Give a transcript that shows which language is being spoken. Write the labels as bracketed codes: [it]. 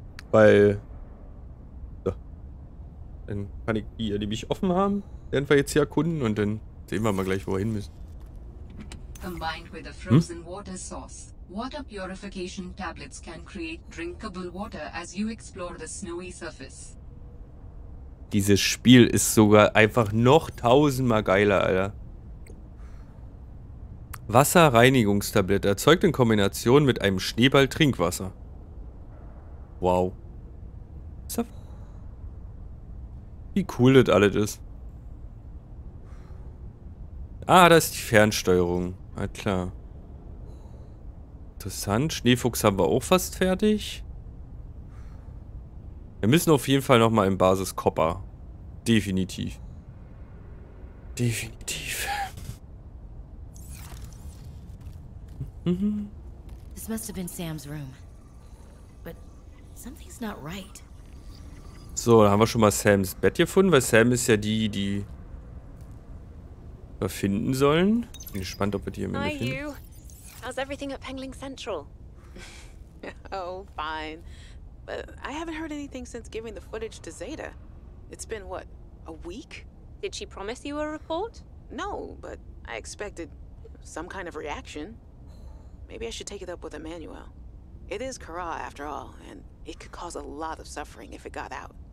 [de] Weil... Dann kann ich die nämlich offen haben. Werden wir jetzt hier erkunden und dann sehen wir mal gleich, wo wir hin müssen. [en] combined with a frozen water source. Water purification tablets can create drinkable water as you explore the snowy surface. [de] Dieses Spiel ist sogar einfach noch tausendmal geiler, Alter. Wasserreinigungstablette erzeugt in Kombination mit einem Schneeball Trinkwasser. Wow. Wie cool das alles ist. Ah, da ist die Fernsteuerung. Ah, klar. Interessant. Schneefuchs haben wir auch fast fertig. Wir müssen auf jeden Fall nochmal in Basis Copper. Definitiv. Definitiv. [en] This must have been Sam's room. But something's not right. [de] So, da haben wir schon mal Sams Bett gefunden, weil Sam ist ja die, die wir finden sollen. Bin gespannt, ob wir die im Ende finden. [en] How's everything at Pengling Central? Oh, fine. But I haven't heard anything since giving the footage to Zeta. It's been what, a week? Did she promise you a report? No, but I expected some kind of reaction. Maybe I should take it up with Emmanuel. It is Kara, after all, and it could cause a lot of suffering if it got out.